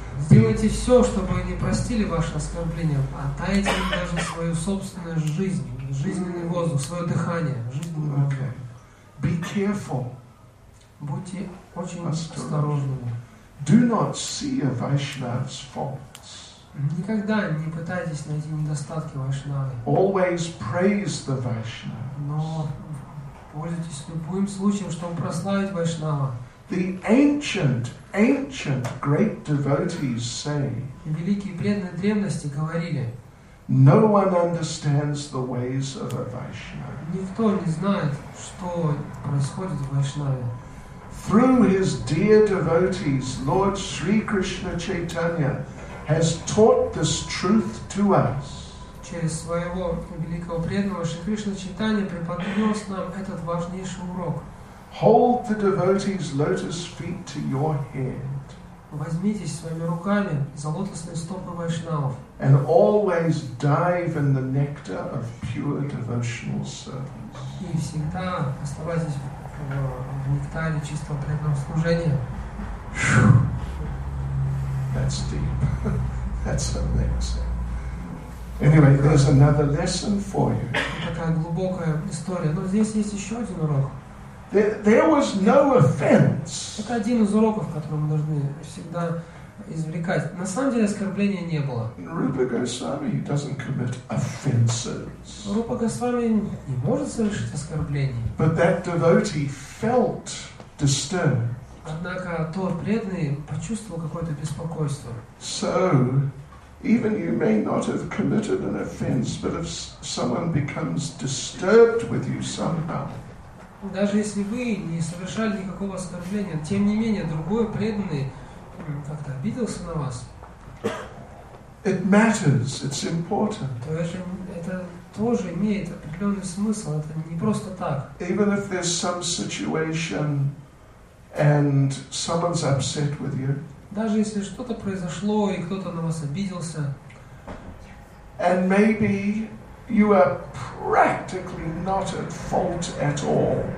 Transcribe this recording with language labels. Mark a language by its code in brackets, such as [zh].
[ru] Сделайте все, чтобы они простили ваши оскорбления. Отдайте им даже свою собственную жизнь, жизненный воздух, свое дыхание, жизненный воздух. [en] Okay. Be careful. [ru] Будьте очень осторожными. [en] Do not see a Vaishnava's faults. [ru] Никогда не пытайтесь найти недостатки вайшнавы. [en] Always praise the Vaishnava. [ru] Но пользуйтесь любым случаем, чтобы прославить вайшнава. [en] The ancient great devotees say. [ru] Великие преданные древности говорили. [en] No one understands the ways of a Vaishnava. [ru] Никто не знает, что происходит в вайшнаве. [en] Through his dear devotees, Lord Sri Krishna Chaitanya has taught this truth to us. [ru] Через своего великого преданного Шри Кришна Чайтанья преподнес нам этот важнейший урок. [en] Hold the devotee's lotus feet to your head. [ru] Возьмитесь своими руками за лотосные стопы вайшнавов. [en] And always dive in the nectar of pure devotional service. [ru] И всегда оставайтесь в нектаре чистого преданного служения. [en] That's deep. That's amazing. Anyway, there's another lesson for you. [ru] Такая глубокая история. Но здесь есть еще один урок. [en] There was no offense. [ru] Это один из уроков, который мы должны всегда извлекать. На самом деле оскорбления не было. [en] Rupa Goswami doesn't commit offenses. [ru] Рупа Госвами не может совершить оскорблений. [en] But that devotee felt disturbed. [ru] Однако тот преданный почувствовал какое-то беспокойство. [en] So, even you may not have committed an offense, but if someone becomes disturbed with you somehow. [ru] Даже если вы не совершали никакого оскорбления, тем не менее другой преданный как-то обиделся на вас. [en] It matters. It's important. [ru] То это тоже имеет определенный смысл. Это не просто так. [en] Even if there's some situation and someone's upset with you. [ru] Даже если что-то произошло и кто-то на вас обиделся. [en] And maybe you are practically not at fault at all.